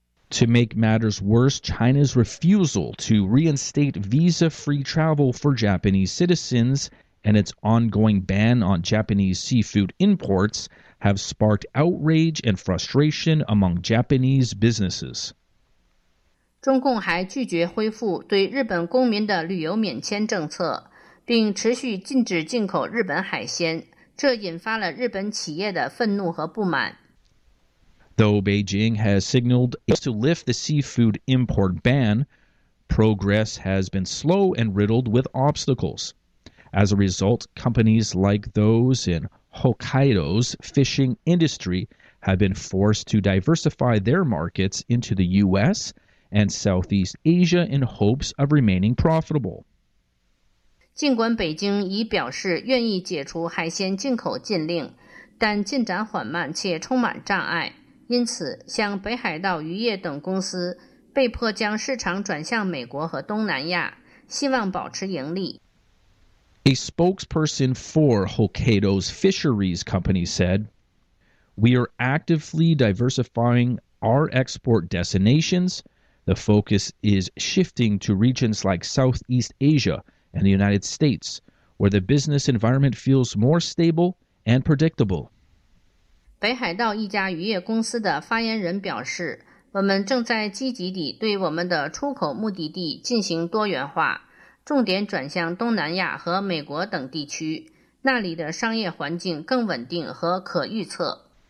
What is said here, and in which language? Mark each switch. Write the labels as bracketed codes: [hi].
[en] To make matters worse, China's refusal to reinstate visa-free travel for Japanese citizens and its ongoing ban on Japanese seafood imports have sparked outrage and frustration among Japanese businesses. [zh] 中共还拒绝恢复对日本公民的旅游免签政策，并持续禁止进口日本海鲜，这引发了日本企业的愤怒和不满。 [en] Though Beijing has signaled to lift the seafood import ban, progress has been slow and riddled with obstacles. As a result, companies like those in Hokkaido's fishing industry have been forced to diversify their markets into the U.S. and Southeast Asia in hopes of remaining profitable. [zh] 尽管北京已表示愿意解除海鲜进口禁令，但进展缓慢且充满障碍。因此，像北海道渔业等公司被迫将市场转向美国和东南亚，希望保持盈利。 [en] A spokesperson for Hokkaido's fisheries company said, "We are actively diversifying our export destinations. The focus is shifting to regions like Southeast Asia and the United States, where the business environment feels more stable and predictable." [zh] 北海道一家渔业公司的发言人表示，我们正在积极地对我们的出口目的地进行多元化，重点转向东南亚和美国等地区，那里的商业环境更稳定和可预测。